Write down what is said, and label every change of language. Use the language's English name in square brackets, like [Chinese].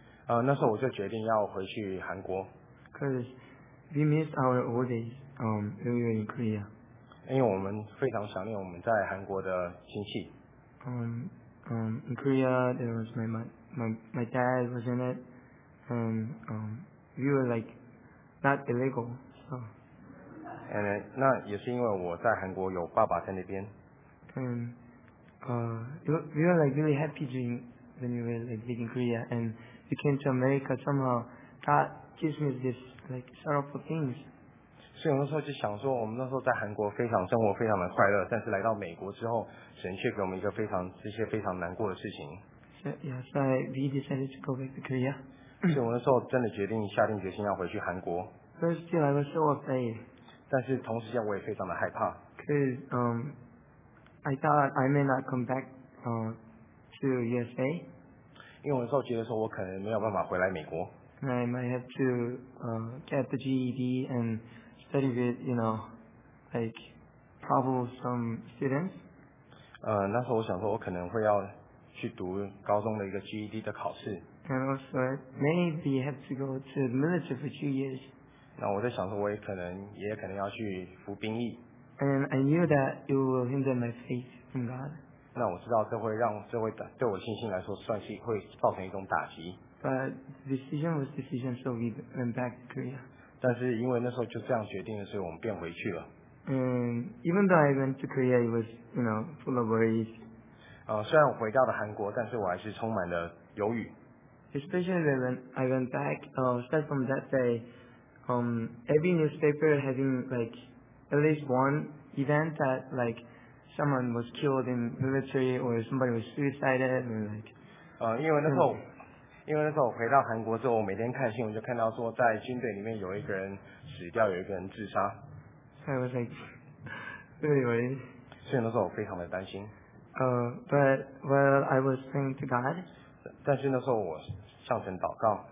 [Chinese] 那时候我就决定要回去韩国。 [English] Because we missed our old days. We were in Korea. [Chinese] 因为我们非常想念我们在韩国的亲戚。 [English] In Korea, there was my dad was in it, and we were like not illegal. So. [Chinese] And 那也是因为我在韩国有爸爸在那边。 [English] And we were like really happy when we were like living in Korea, and we came to America somehow. God gives me this like sorrowful things. [Chinese] 所以我那时候就想说，我们那时候在韩国非常生活非常的快乐，但是来到美国之后，神却给我们一个非常这些非常难过的事情。 [English] So we to Korea. [Chinese] 所以我那时候真的决定下定决心要回去韩国。 [English] First thing I was so afraid. [Chinese] 但是同时间我也非常的害怕。 [English] Because I thought I may not come back to USA. [Chinese] 因为我那时候觉得说我可能没有办法回来美国。 [English] I might have to get the GED and study with, you know, like troublesome students. [Chinese] 那时候我想说我可能会要去读高中的一个 GED 的考试。 [English] And also maybe have to go to the military for 2 years. [Chinese] 那我在想说我也可能也可能要去服兵役。 [English] And I knew that it will hinder my faith in God. [Chinese] 那我知道这会让这会对我信心来说算是会造成一种打击。 [English] But decision was decision, so we went back to Korea. [Chinese] 但是因为那时候就这样决定了，所以我们便回去了。 [English] And even though I went to Korea, it was, you know, full of worries. [Chinese] 虽然我回到了韩国，但是我还是充满了犹豫。 [English] Especially when I went back, start from that day, every newspaper having like at least one event that like someone was killed in military or somebody was suicided and like. [Chinese] 因为那时候。因为那时候我回到韩国之后，我每天看新闻就看到说，在军队里面有一个人死掉，有一个人自杀。 [English] So I was like, really. [Chinese] 所以那时候我非常的担心。 [English] But while I was praying to God. [Chinese] 但是那时候我向神祷告。